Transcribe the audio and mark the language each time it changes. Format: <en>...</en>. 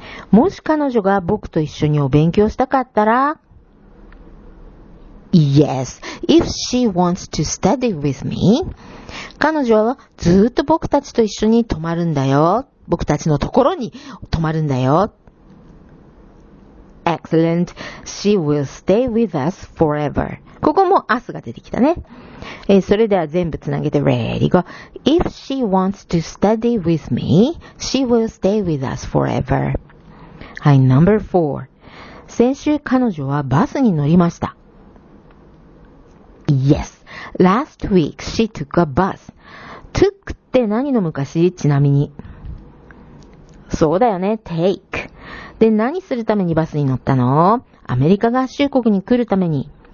<ja>もし彼女が僕と一緒にお勉強したかったら Yes, if she wants to study with me 彼女はずっと僕たちと一緒に泊まるんだよ。僕たちのところに泊まるんだよ。</ja> <en>Excellent, she will stay with us forever.</en> <ja>ここも us が出てきたね。それでは全部つなげて Ready, go.</ja> <en>If she wants to study with me, she will stay with us foreverはい、number four.</en> <ja>先週彼女はバスに乗りました。</ja> <en>Yes. Last week she took a bus. took って何の昔?ちなみに。そうだよね。 take.</en> <ja>で、何するためにバスに乗ったの?アメリカ合衆国に来るために。</ja>